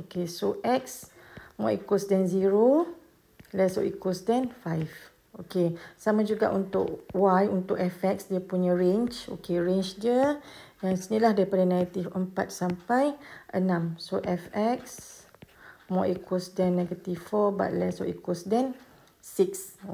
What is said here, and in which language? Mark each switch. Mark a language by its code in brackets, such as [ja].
[en] Okay, so x more equals than 0, less or equals than 5. [ms] Okay, sama juga untuk y, untuk fx, dia punya range. Okay, range dia yang sinilah daripada negative 4 sampai 6. [en] So, fx more equals than negative 4 but less or equals than 6.